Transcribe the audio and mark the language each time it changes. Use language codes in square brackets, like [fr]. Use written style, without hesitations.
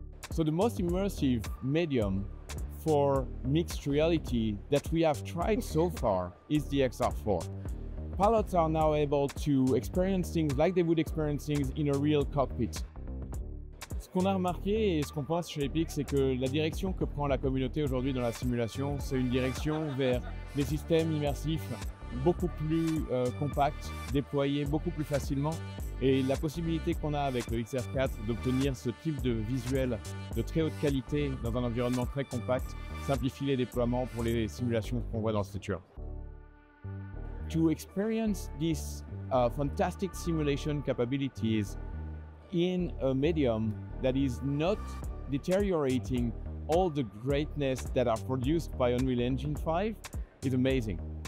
[en] So the most immersive medium for mixed reality that we have tried so far is the XR4. Pilots are now able to experience things like they would experience things in a real cockpit. [fr] Ce qu'on a remarqué et ce qu'on pense chez Epic, c'est que la direction que prend la communauté aujourd'hui dans la simulation, c'est une direction vers des systèmes immersifs beaucoup plus compacts, déployés beaucoup plus facilement. Et la possibilité qu'on a avec le XR4 d'obtenir ce type de visuel de très haute qualité dans un environnement très compact simplifie les déploiements pour les simulations qu'on voit dans le futur. [en] To experience these fantastic simulation capabilities in a medium that is not deteriorating all the greatness that are produced by Unreal Engine 5 is amazing.